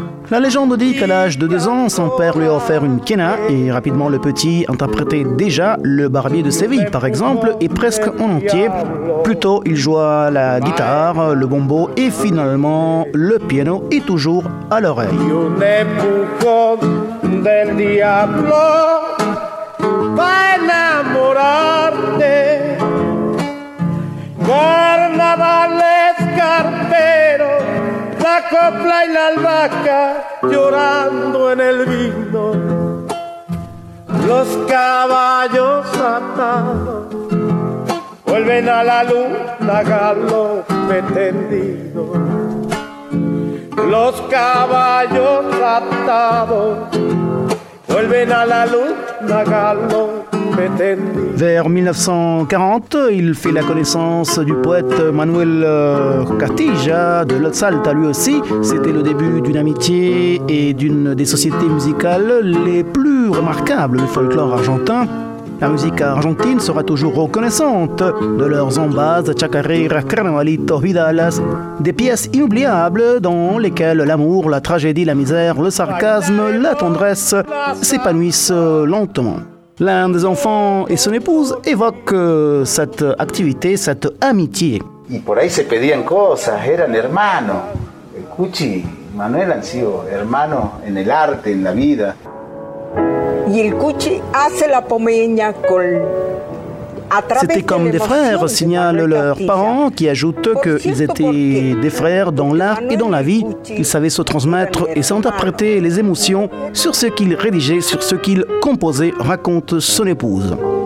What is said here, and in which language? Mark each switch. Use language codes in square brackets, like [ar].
[fr] La légende dit qu'à l'âge de 2 ans, son père lui a offert une quena et rapidement le petit interprétait déjà le barbier de Séville, par exemple, et presque en entier. Plus tôt, il joua la guitare, le bombo et finalement le piano et toujours à l'oreille. [es] Y un empujón del diablo va enamorarte Carnavales carperosLa copla y la albahaca llorando en el vino, los caballos atados vuelven a la luna galope tendido, los caballos atados vuelven a la luna galope. [fr] Vers 1940, il fait la connaissance du poète Manuel Castilla de La Salta lui aussi. C'était le début d'une amitié et d'une des sociétés musicales les plus remarquables du folklore argentin. La musique argentine sera toujours reconnaissante de leurs zambas, chacareras, carnavalitos, vidalas, des pièces inoubliables dans lesquelles l'amour, la tragédie, la misère, le sarcasme, la tendresse s'épanouissent lentement. L'un des enfants et son épouse évoquent cette activité, cette amitié. [es] Y por ahí se pedían cosas, eran hermanos. El Cuchi y Manuel han sido hermanos en el arte, en la vida. Y el Cuchi hace la pomeña con [fr] C'était comme des frères, signalent leurs parents, qui ajoutent qu'ils étaient des frères dans l'art et dans la vie. Ils savaient se transmettre et s'interpréter les émotions sur ce qu'ils rédigeaient, sur ce qu'ils composaient, raconte son épouse.